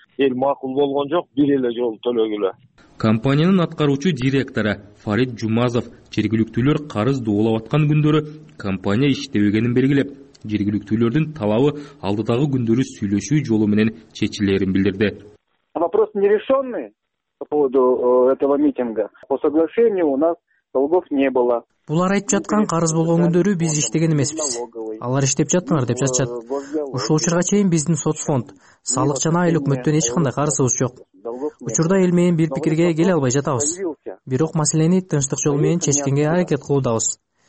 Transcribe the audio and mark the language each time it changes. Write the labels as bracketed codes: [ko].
[ky] Эл макул болгон жок, бир эле жолу төлөгүлө. Компаниянын аткаруучу директору Фарид Жумазов жергиликтүүлөр карыз доолап аткан күндөрү компания иштебегенин белгилеп, жергиликтүүлөрдүн талабы алдыдагы күндөрү сүйлөшүү жолу менен чечилерин билдирди. [ru] Вопрос нерешенный по поводу этого митинга. По соглашению у нас долгов не было. [ky] Булар айтып жаткан карыз болгон күндөрү биз иштеген эмеспиз. Алар иштеп жаттыңар деп жазышат. Ушул учурга чейин биздин соц фонд, салык жана айыл өкмөттөн эч кандай карызыбыз жок. Учурда эл менен бир пикирге келе албай жатабыз. Бирок маселени тынчтык жолу менен чечкенге аракет кылуудабыз.